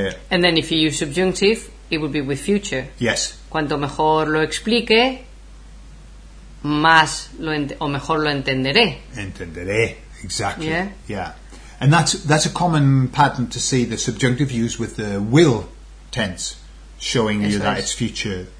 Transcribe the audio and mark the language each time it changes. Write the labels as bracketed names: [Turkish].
[English] And then if you use subjunctive, it would be with future. Yes. [Spanish] Cuanto mejor lo explique, más lo o mejor lo entenderé. [English] Entenderé, exactly. Yeah. Yeah. And that's a common pattern to see the subjunctive used with the will tense, showing you that it's future.